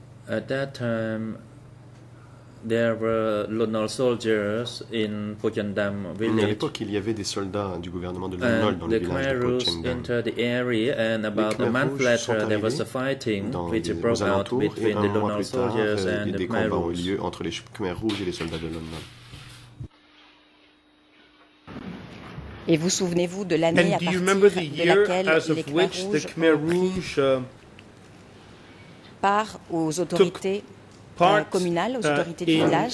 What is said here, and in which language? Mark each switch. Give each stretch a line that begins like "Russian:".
English: At that time, there were Lonol soldiers in Pochendam village.
French: À l'époque, il y avait des soldats du gouvernement de Lonol dans le village de Pochendam.
English: The Khmer Rouges entered the area, and about a month later, there was a fighting which broke out between the Lonol soldiers and the Khmer Rouges.
French: Ont eu lieu entre les Khmer Rouges et les soldats de Lonol. Et vous souvenez-vous de l'année à partir de laquelle les Khmer Rouges ont pris part aux autorités communale aux autorités du village